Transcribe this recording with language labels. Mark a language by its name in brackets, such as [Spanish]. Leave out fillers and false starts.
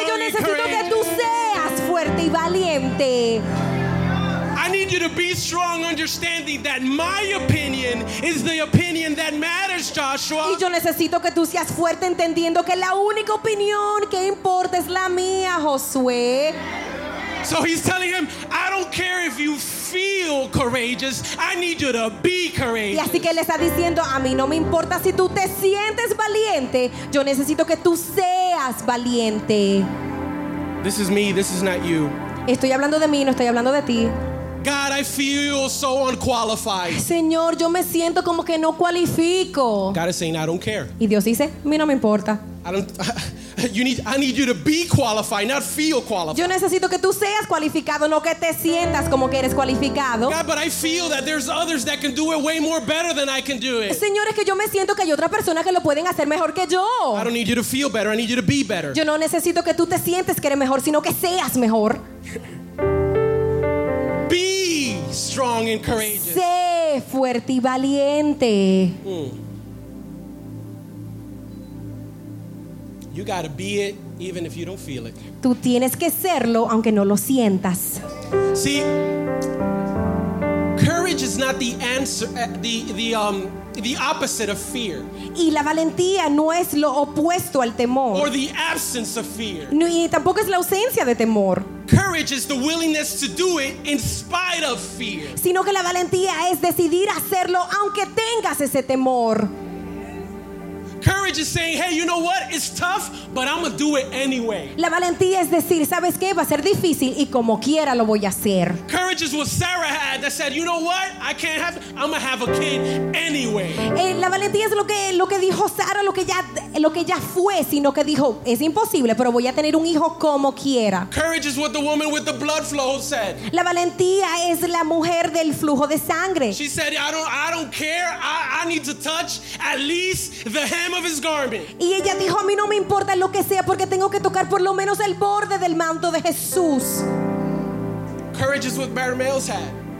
[Spanish] Así que yo necesito que tú seas fuerte y valiente. [English] I need you to be strong, understanding that my opinion is the opinion that matters, Joshua. [Spanish] Y yo necesito que tú seas fuerte, entendiendo que la única opinión que importa es la mía, Josué. [English] So he's telling him, I don't care if you feel courageous, I need you to be courageous. [Spanish] Y así que él está diciendo, a mí no me importa si tú te sientes valiente, yo necesito que tú seas valiente. [English] This is me, this is not you. [Spanish] Estoy hablando de mí, no estoy hablando de ti. [English] God, I feel so unqualified. [Spanish] Señor, yo me siento como que no cualifico. [English] God is saying, I don't care. [Spanish] Y Dios dice, a mí no me importa. [English] I need you to be qualified, not feel qualified. [Spanish] Yo necesito que tú seas cualificado, no que te sientas como que eres cualificado. [English] God, but I feel that there's others that can do it way more better than I can do it. [Spanish] Señor, es que yo me siento que hay otra persona que lo pueden hacer mejor que yo. [English] I don't need you to feel better, I need you to be better. [Spanish] Yo no necesito que tú te sientes que eres mejor, sino que seas mejor. [English] Be strong and courageous. [Spanish] Sé fuerte y valiente. [English] You gotta be it even if you don't feel it. [Spanish] Tú tienes que serlo aunque no lo sientas. [English] See, courage is not the answer, the opposite of fear. [Spanish] Y la valentía no es lo opuesto al temor. [English] Or the absence of fear. [Spanish] No, y tampoco es la ausencia de temor. [English] Courage is the willingness to do it in spite of fear. [Spanish] Sino que la valentía es decidir hacerlo aunque tengas ese temor. [English] Courage is saying, hey, you know what? It's tough, but I'm gonna do it anyway. [Spanish] La valentía es decir, ¿sabes qué? Va a ser difícil y como quiera lo voy a hacer. [English] Courage is what Sarah had that said, you know what? I can't have it. I'm gonna have a kid anyway. [Spanish] La valentía es lo que dijo Sarah, lo que ya fue, sino que dijo, es imposible, pero voy a tener un hijo como quiera. [English] Courage is what the woman with the blood flow said. [Spanish] La valentía es la mujer del flujo de sangre. [English] She said, I don't care. I need to touch at least the hem of his garment. [Spanish] Y ella dijo, a mí no me importa lo que sea porque tengo que tocar por lo menos el borde del manto de Jesús. [English] Courage is what Bartimaeus had.